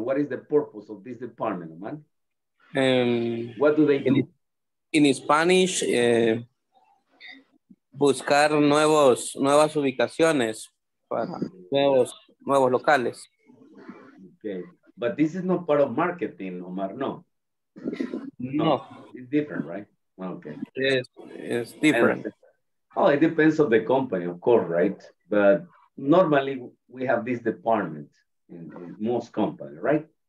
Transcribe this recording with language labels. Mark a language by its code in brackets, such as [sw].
[en] What is the purpose of this department, Omar? What do they do? [es] In Spanish, buscar nuevas ubicaciones para nuevos locales. [en] Okay, but this is not part of marketing, Omar. No. No. It's different, right? Okay. It's different. And, it depends on the company, of course, right? But normally we have this department in most companies, right?